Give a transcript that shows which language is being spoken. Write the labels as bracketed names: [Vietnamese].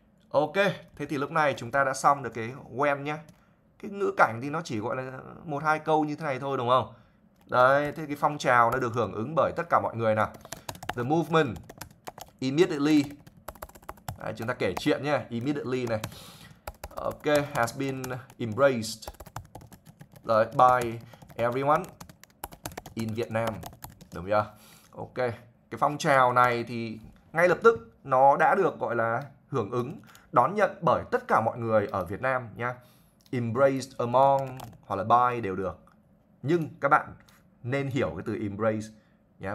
[Vietnamese] Ok, thế thì lúc này chúng ta đã xong được cái when nhé. Cái ngữ cảnh thì nó chỉ gọi là một hai câu như thế này thôi đúng không? Đấy, thế cái phong trào nó được hưởng ứng bởi tất cả mọi người nào. [English] The movement immediately. [Vietnamese] Đấy, chúng ta kể chuyện nhé, immediately này. [English] Ok, has been embraced đấy, by everyone in Vietnam. [Vietnamese] Đúng chưa? Ok, cái phong trào này thì ngay lập tức nó đã được gọi là hưởng ứng, đón nhận bởi tất cả mọi người ở Việt Nam nha. Embraced among hoặc là by đều được. Nhưng các bạn nên hiểu cái từ embrace nhá.